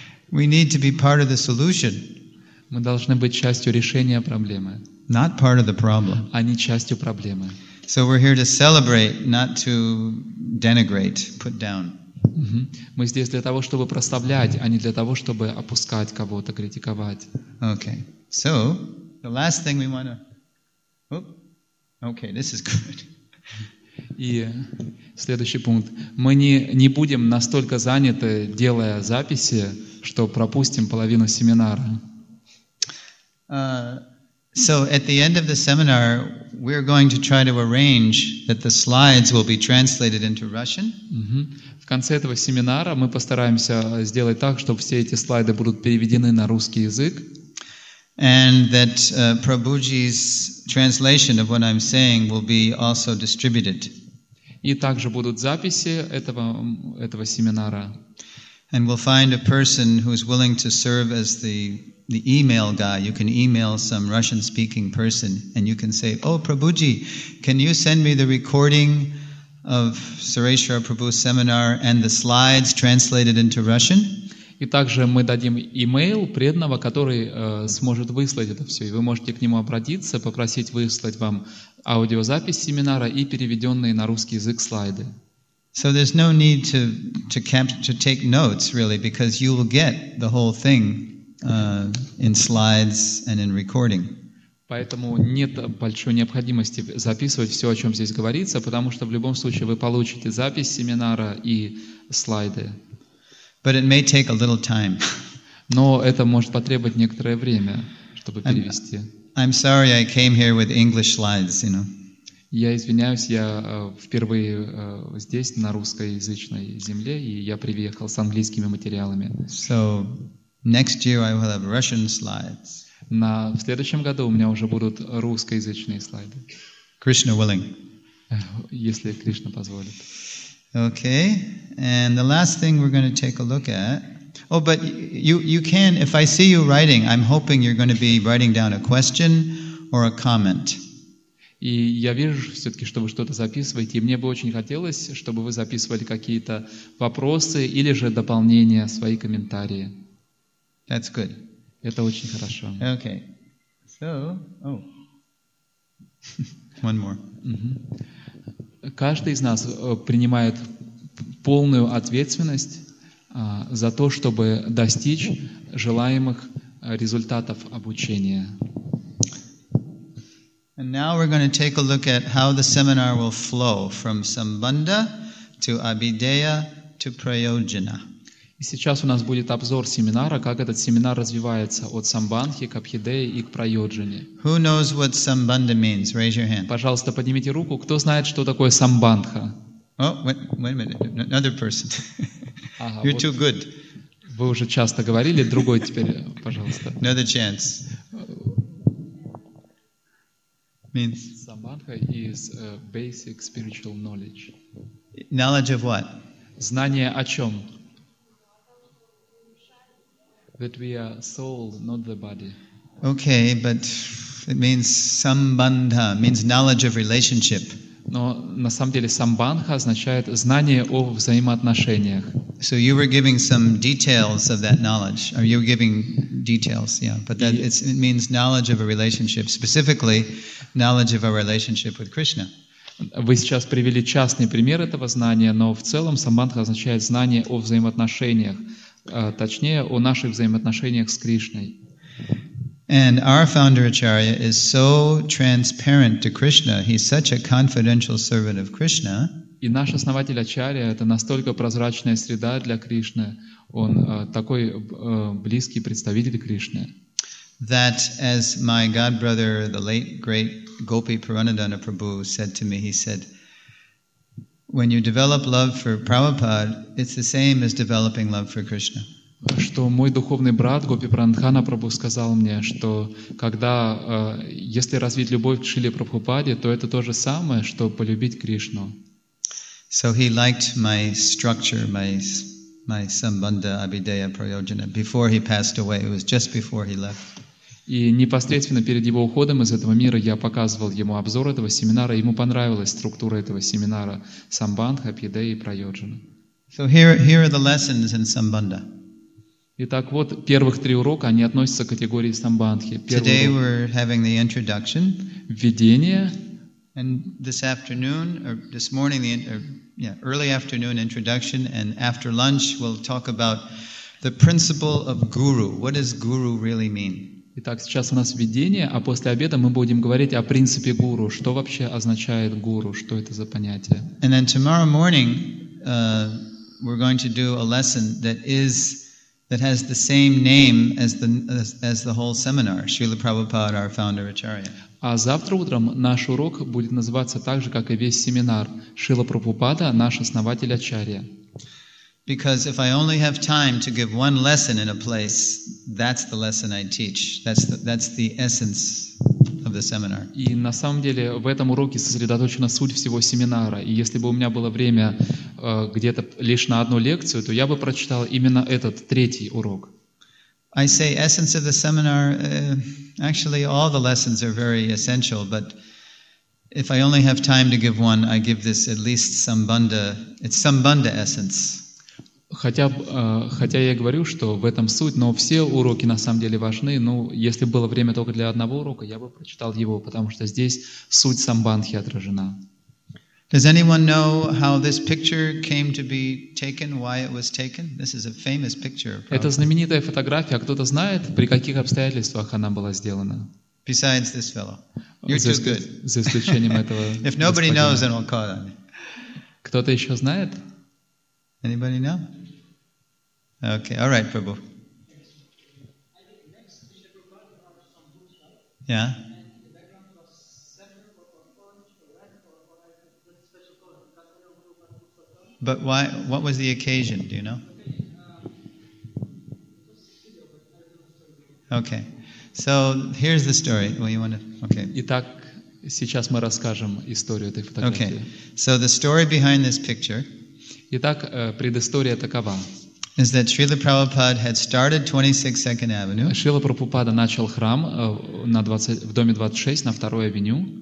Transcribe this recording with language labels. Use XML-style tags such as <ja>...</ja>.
<en>We need to be part of the solution.</en> <ru>Мы должны быть частью решения проблемы.</ru> <en>Not part of the problem.</en> <ru>А не частью проблемы.</ru> <en>So we're here to celebrate, not to denigrate, put down.</en> <ru>Мы здесь для того, чтобы прославлять, а не для того, чтобы опускать кого-то, критиковать.</ru> <en>Okay. So the last thing we want to. Okay, this is good.</en> <ru>И следующий пункт. Мы не будем настолько заняты, делая записи, что пропустим половину семинара.</ru> <en>So at the end of the seminar, we're going to try to arrange that the slides will be translated into Russian.</en> <ru>В конце этого семинара мы постараемся сделать так, чтобы все эти слайды будут переведены на русский язык.</ru> <en>And that Prabhuji's translation of what I'm saying will be also distributed.</en> <ru>И также будут записи этого семинара.</ru> <en>And we'll find a person who's willing to serve as the email guy. You can email some Russian-speaking person and you can say, "Oh, Prabhuji, can you send me the recording of Sureshwara Prabhu's seminar and the slides translated into Russian?"</en> <ru>И также мы дадим имейл преданного, который сможет выслать это все. И вы можете к нему обратиться, попросить выслать вам аудиозапись семинара и переведенные на русский язык слайды.</ru> <en>So there's no need to take notes, really, because you will get the whole thing in slides and in recording.</en> <ru>Поэтому нет большой необходимости записывать все, о чем здесь говорится, потому что в любом случае вы получите запись семинара и слайды.</ru> <en>But it may take a little time.</en> <ru>Но это может потребовать некоторое время, чтобы перевести.</ru> <en>I'm sorry I came here with English slides, you know.</en> <ru>Я извиняюсь, я впервые здесь, на русскоязычной земле, и я приехал с английскими материалами.</ru> <en>So, next year I will have Russian slides.</en> <ru>На в следующем году у меня уже будут русскоязычные слайды.</ru> <en>Krishna willing.</en> <ru>Если Кришна позволит.</ru> <en>Okay, and the last thing we're going to take a look at. Oh, but you can, if I see you writing, I'm hoping you're going to be writing down a question or a comment.</en> <ru>И я вижу все-таки, что вы что-то записываете, и мне бы очень хотелось, чтобы вы записывали какие-то вопросы или же дополнения, свои комментарии.</ru> <en>That's good.</en> <ru>Это очень хорошо.</ru> <en>Okay. So, oh. One more.</en> <ru>Каждый из нас принимает полную ответственность за то, чтобы достичь желаемых результатов обучения.</ru> <en>And now we're going to take a look at how the seminar will flow from Sambandha to Abhideya to Prayojana.</en> <ru>И сейчас у нас будет обзор семинара, как этот семинар развивается от Самбандхи к Абхидее и к Прайоджане.</ru> <en>Who knows what Sambandha means? Raise your hand.</en> <ru>Пожалуйста, поднимите руку, кто знает, что такое Самбандха?</ru> <en>Oh, wait a minute, another person. You're too good.</en> <ru>Вы уже часто говорили, другой теперь, пожалуйста.</ru> <en>Another chance. Means. Samadhi is basic spiritual knowledge. Knowledge of what?</en> <ru>Знание о чем?</ru> <en>That we are soul, not the body. Okay, but it means sambandha, means knowledge of relationship.</en> <ru>Но на самом деле самбандха означает знание о взаимоотношениях.</ru> <en>So you were giving some details of that knowledge. Or you were giving details, yeah. But that it means knowledge of a relationship, specifically knowledge of a relationship with Krishna.</en> <ru>Вы сейчас привели частный пример этого знания, но в целом самбандха означает знание о взаимоотношениях, точнее о наших взаимоотношениях с Кришной.</ru> <en>And our founder Acharya is so transparent to Krishna. He's such a confidential servant of Krishna.</en> <ru>И наш основатель Ачарья — это настолько прозрачная среда для Кришны, он такой близкий представитель Кришны.</ru> <en>That, as my godbrother, the late great Gopi Puranadana Prabhu, said to me, he said, when you develop love for Prabhupada, it's the same as developing love for Krishna.</en> <ru>Что мой духовный брат Гопи Прандхана Прабху сказал мне, что когда, если развить любовь к Шриле Прабхупаде, то это то же самое, что полюбить Кришну.</ru> <en>So he liked my structure, my Sambandha, Abhideya, Prayojana, before he passed away. It was just before he left.</en> <ru>И непосредственно перед его уходом из этого мира я показывал ему обзор этого семинара. Ему понравилась структура этого семинара Самбандха, Абхидея и Прайоджана.</ru> <en>So here are the lessons in Sambandha.</en> <ru>Итак, вот первых три урока, они относятся к категории Самбандхи.</ru> <en>Today we're having the introduction.</en> <ru>Введение.</ru> <en>And this afternoon, or this morning, early afternoon introduction, and after lunch we'll talk about the principle of guru. What does guru really mean?</en> <ru>Итак, сейчас у нас введение, а после обеда мы будем говорить о принципе гуру. Что вообще означает гуру? Что это за понятие?</ru> <en>And then tomorrow morning we're going to do a lesson that has the same name as the whole seminar. Srila Prabhupada, our founder Acharya.</en> <ru>А завтра утром наш урок будет называться так же, как и весь семинар. Шрила Прабхупада, наш основатель Ачарья.</ru> <en>Because if I only have time to give one lesson in a place, that's the lesson I teach. That's the essence of the seminar.</en> <ru>И на самом деле в этом уроке сосредоточена суть всего семинара. И если бы у меня было время где-то лишь на одну лекцию, то я бы прочитал именно этот третий урок.</ru> <en>I say essence of the seminar. Actually, all the lessons are very essential, but if I only have time to give one, I give this at least Sambandha. It's Sambandha essence.</en> <ru>Хотя я говорю, что в этом суть, но все уроки на самом деле важны. Ну, если было время только для одного урока, я бы прочитал его, потому что здесь суть самбандхи отражена.</ru> <en>Does anyone know how this picture came to be taken? Why it was taken? This is a famous picture.</en> <ru>Это знаменитая фотография. Кто-то знает, при каких обстоятельствах она была сделана?</ru> <en>Besides this fellow, you're too good.</en> <ru>За исключением этого.</ru> <en>If nobody knows, then we'll call on you.</en> <ru>Кто-то еще знает?</ru> <en>Anybody know? Okay, all right, Prabhu. Yeah. But why? What was the occasion? Do you know? Okay. So here's the story. Well, you want to? Okay.</en> <ru>Итак, сейчас мы расскажем историю этой фотографии.</ru> <en>Okay. So the story behind this picture.</en> <ru>Итак, предыстория такова.</ru> <en>Is that Srila Prabhupada had started 26 Second Avenue.</en> <ru>Шрила Прабхупада начал храм на 20, в доме 26 на 2-й авеню.</ru>